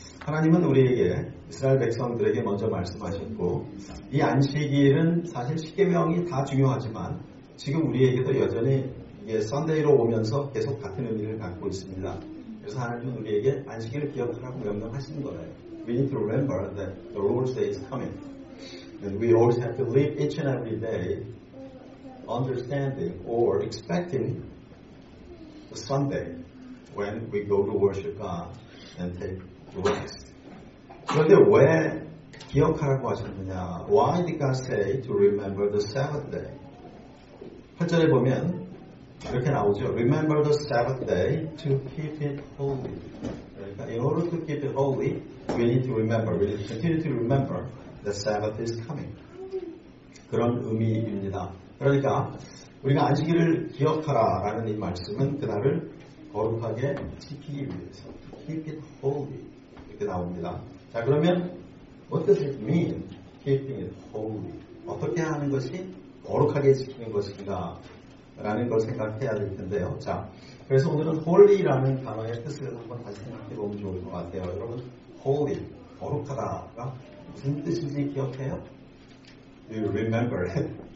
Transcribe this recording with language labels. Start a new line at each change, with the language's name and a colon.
Korean: 하나님은 우리에게 이스라엘 백성들에게 먼저 말씀하셨고 이 안식일은 사실 십계명이 다 중요하지만 지금 우리에게도 여전히 이게 선데이로 오면서 계속 같은 의미를 갖고 있습니다. 그래서 하나님은 우리에게 안식일을 기억하라고 명령하시는 거예요.
English: We need to remember that the Lord's Day is coming. And we always have to live each and every day understanding or expecting the Sunday when we go to worship God and take rest.
Korean: 그런데 왜 기억하라고 하셨느냐?
English: Why did God say to remember the Sabbath day?
Korean: 8절에 보면 이렇게 나오죠.
English: Remember the Sabbath day to keep it holy.
Korean: 그러니까
English: in order to keep it holy, we need to remember, we need to continue to remember the Sabbath is coming.
Korean: 그런 의미입니다. 그러니까 우리가 안식일을 기억하라라는 이 말씀은 그날을 거룩하게 지키기 위해서
English: keep it holy
Korean: 이렇게 나옵니다. 자, 그러면
English: what does it mean keeping it holy?
Korean: 어떻게 하는 것이 거룩하게 지키는 것인가 라는 걸 생각해야 될 텐데요. 자, 그래서 오늘은 holy라는 단어의 뜻을 한번 다시 생각해 보면 좋을 것 같아요. 여러분, holy, 거룩하다가 무슨 뜻인지 기억해요?
English: Do you remember it?